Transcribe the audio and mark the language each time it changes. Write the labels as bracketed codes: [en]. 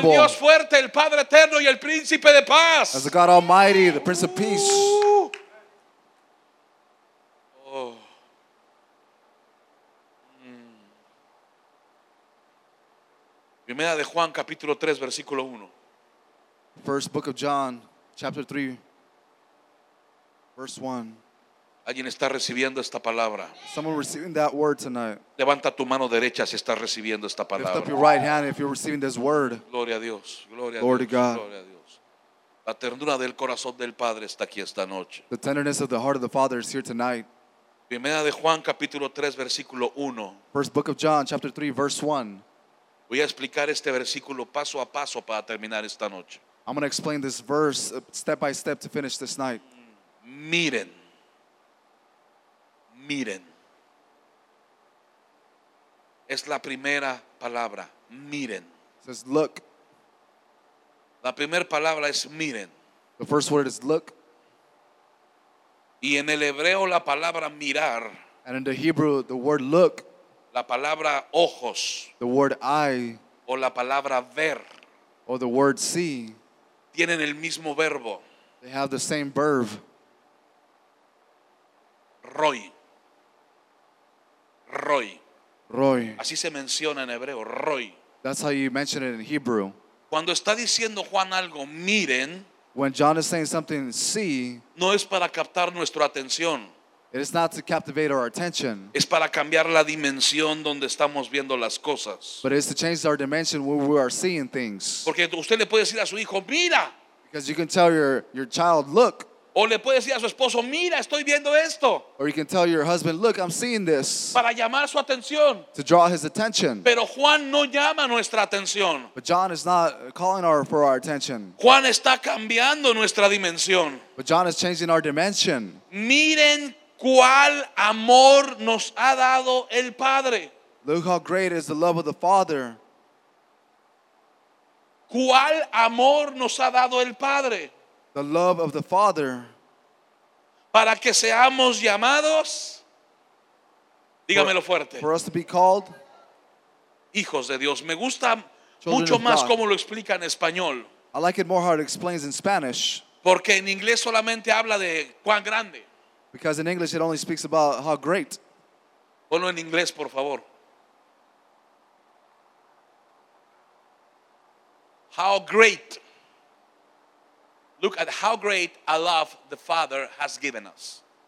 [es] como el Dios fuerte, el Padre eterno y el Príncipe de paz, [en] as the God Almighty, the Prince of Peace. [es] Primera de Juan capítulo 3 versículo 1. [en] First book of John, chapter 3, verse 1. [es] Alguien está recibiendo esta palabra. [en] Someone receiving that word tonight. [es] Levanta tu mano derecha si estás recibiendo esta palabra. [en] Lift up your right hand if you're receiving this word. [es] Gloria a Dios. Gloria a [en] Glory to God. [es] La ternura del corazón del Padre está aquí esta noche. [en] The tenderness of the heart of the Father is here tonight. [es] Primera de Juan, capítulo 3, versículo 1. [en] First book of John, chapter 3, verse 1. [es] Voy a explicar este versículo paso a paso para terminar esta noche. [en] I'm going to explain this verse step by step to finish this night. [es] Miren. Miren. Es la primera palabra. Miren. [en] It says look. [es] La primera palabra es miren. [en] The first word is look. [es] Y en el hebreo la palabra mirar. [en] And in the Hebrew the word look. [es] La palabra ojos. [en] The word eye. [es] O la palabra ver. [en] Or the word see. [es] Tienen el mismo verbo. [en] They have the same verb. Roy. Roy. Roy. [es] Así se menciona en hebreo, Roy. [en] That's how you mention it in Hebrew. [es] Cuando está diciendo Juan algo, miren. [en] When John is saying something, see, [es] no es para captar nuestra atención. [en] It is not to captivate our attention. [es] Es para cambiar la dimensión donde estamos viendo las cosas. [en] But it's to change our dimension where we are seeing things. [es] Porque usted le puede decir a su hijo, mira. [en] Because you can tell your child, look. [es] O le puede decir a su esposo, mira, estoy viendo esto. [en] Or you can tell your husband, look, I'm seeing this. [es] Para llamar su atención. [en] To draw his attention. [es] Pero Juan no llama nuestra atención. [en] But John is not calling for our attention. [es] Juan está cambiando nuestra dimensión. [en] But John is changing our dimension. [es] Miren cuál amor nos ha dado el Padre. [en] Look how great is the love of the Father. [es] ¿Cuál amor nos ha dado el Padre? [en] The love of the Father. [es] Para que seamos llamados, dígamelo fuerte. [en] For us to be called [es] hijos de Dios. Me gusta mucho más cómo lo explica en español. [en] I like it more how it explains in Spanish. [es] Porque en inglés solamente habla de cuán grande. [en] Because in English it only speaks about how great. [es] Ponlo en inglés, por favor. [en] How great. Look at how great a love the Father has given us.